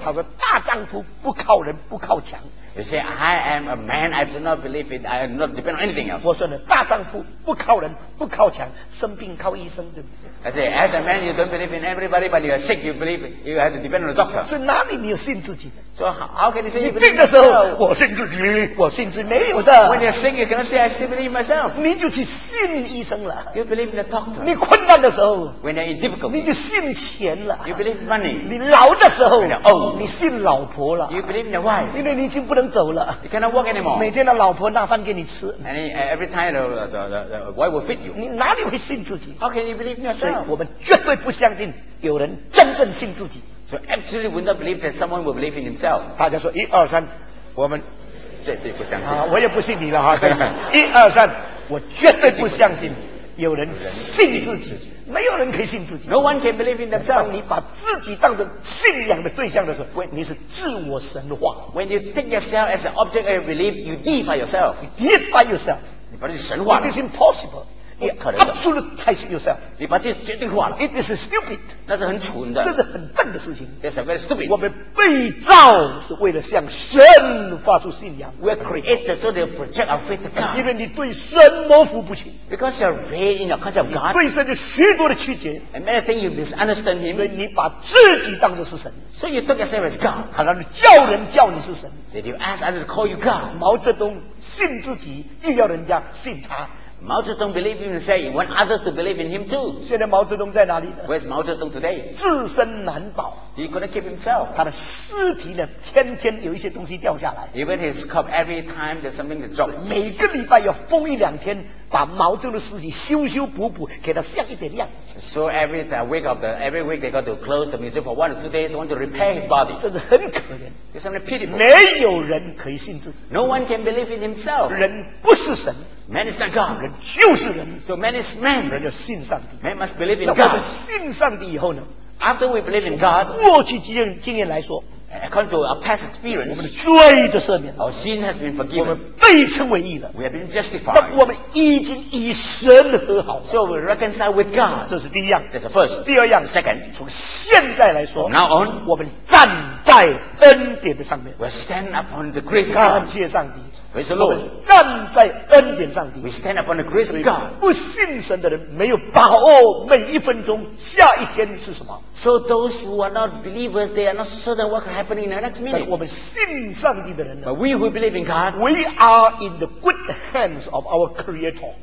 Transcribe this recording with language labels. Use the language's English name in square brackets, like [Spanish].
[Chinese] 他说大丈夫不靠人不靠墙。 [English] You say I am a man. I do not believe it. I do not depend on anything else. [Chinese] 我说呢大丈夫不靠人不靠墙，生病靠医生，对不对 [English] ？I say as a man, you don't believe in everybody, but you are sick. You believe you have to depend on the doctor. [Chinese] 所以哪里你有信自己的？ [English] So how can you say [Chinese] 你病的时候我信自己，我信自己没有的。 [English] When you're sick, you cannot say I still believe myself. [Chinese] 你就去信医生了。 [English] You believe in the doctor. [Chinese] 你困难的时候 [English] ，When you're in difficulty, [Chinese] 你就信钱了。 [English] You believe money. [Chinese] 你老的时候 [English] ，When you're old, [Chinese] 你信老婆了。 [English] You believe in your wife. [Chinese] 因为你已经不能走了。 [English] You cannot work anymore. [Chinese] 每天的老婆拿饭给你吃。 [English] And every time the wife will feed you. [Chinese] 你哪里会信自己 [English] ？How can you believe in yourself? [Chinese] 所以我们绝对不相信有人真正信自己。 [English] So absolutely would not believe that someone will believe in himself. [Chinese] 大家说一二三，我们绝对不相信。啊，我也不信你了哈。一二三，我绝对不相信有人信自己。没有人可以信自己。 [English] No one can believe in themselves. [Chinese] 当你把自己当成信仰的对象的时候，你是自我神化。 [English] When you take yourself as an object of belief, you deify yourself. You deify yourself. [Chinese] 你把自己神化了。 [English] It is impossible. Absolutize yourself. [Chinese] 你把自己决定化了。 [English] It is stupid. [Chinese] 那是很蠢的。这是很笨的事情。 [English] That's very stupid. [Chinese] 我们被造是为了向神发出信仰。 [English] We are created so they project our faith to God. [Chinese] 因为你对神模糊不清。 [English] Because you're vague in your concept of God. [Chinese] 你对神有许多的曲解。 [English] And many things you misunderstand him. [Chinese] 所以你把自己当作是神。 [English] So you took yourself as God. [Chinese] 好了，你叫人叫你是神。 [English] Did you ask others to call you God? [Chinese] 毛泽东信自己，又要人家信他。 [English] 毛泽东 believe in himself, he want others to believe in him too. [Chinese] 现在毛泽东在哪里呢 [English] ？Where's Mao Zedong today? [Chinese] 自身难保。 [English] He couldn't keep himself. [Chinese] 他的尸体呢，天天有一些东西掉下来。 [English] Even his cup, every time there's something that drops. [Chinese] 每个礼拜要封一两天，把毛泽东的尸体修修补补，给他像一点样。 [English] So every week they got to close the museum for 1 or 2 days, they want to repair his body. [Chinese] 这是很可怜。 [English] It's something pitiful. [Chinese] 没有人可以信自己。 [English] No one can believe in himself. [Chinese] 人不是神。 [English] Man is not God. [Chinese] 人就是人。 [English] So man is man. [Chinese] 人要信上帝。 [English] Man must believe in God. [Chinese] 那我们信上帝以后呢 [English] ？After we believe in God. [Chinese] 过去经验来说 [English] ，according to our past experience. [Chinese] 我们的罪的赦免。 [English] Our sin has been forgiven. [Chinese] 我们被称为义了。 [English] We have been justified. [Chinese] 那我们已经与神和好了。 [English] So we reconcile with God. [Chinese] 这是第一样。 [English] That's the first. [Chinese] 第二样 [English] ，second. [Chinese] 从现在来说 [English] ，from now on. [Chinese] 我们站在恩典的上面。 [English] We stand upon the grace of God. [Chinese] 感谢上帝。 [English] Praise the Lord. [Chinese] 我们站在恩典上帝。 [English] We stand upon the grace of God. [Chinese] 不信神的人没有把握每一分钟下一天是什么。 [English] So those who are not believers, they are not certain what can happen in the next minute. [Chinese] 但我们信上帝的人呢 [English] ？But we who believe in God, we are in the good hands of our Creator.